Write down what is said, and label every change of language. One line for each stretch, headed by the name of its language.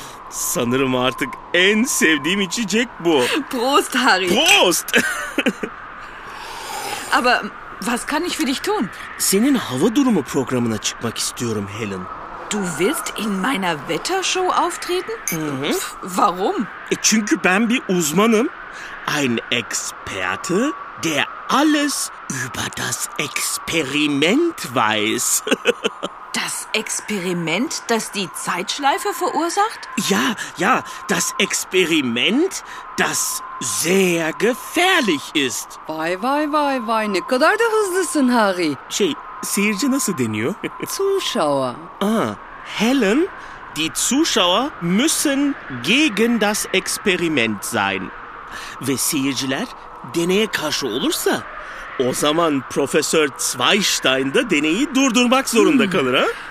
Turkish: Sanırım artık en sevdiğim içecek bu.
German: Prost, Harry. Prost! Aber was kann ich für dich tun?
Turkish: Senin hava durumu programına çıkmak istiyorum, Helen.
German: Du willst in meiner Wettershow auftreten? Mhm. Warum?
Turkish: Çünkü ben bir uzmanım.
German: Ein Experte, der alles über das Experiment weiß. Das Experiment, das die Zeitschleife verursacht? Ja, ja, das Experiment, das sehr gefährlich ist.
Turkish: Vay, vay, vay, vay, ne kadar da hızlısın Harry. Şey, seyirci nasıl deniyor?
German: Zuschauer. Ah, Helen, die Zuschauer müssen gegen das Experiment sein.
Turkish: Ve seyirciler deneye karşı olursa, o zaman Profesör Zweistein de deneyi durdurmak zorunda kalır, ha?